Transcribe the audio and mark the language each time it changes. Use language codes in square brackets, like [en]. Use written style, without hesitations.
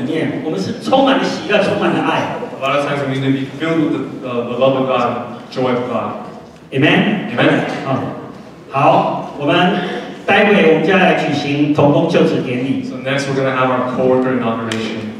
[zh] 爱在心里口难开怎么翻呢？对啊，很多时候，但是他讲说不要再被华人的文化所那个影所辖制，对不对？哦，弟兄姐妹，很多时候我们要有基督的文化在我们的里面，我们是充满了喜乐，充满了爱。 [en] A lot of times we need to be filled with the love of God. Joy of God. Amen. Amen. [zh] 好，我们待会我们就要来举行同工就职典礼。 [en] So next we're going to have our co-worker inauguration.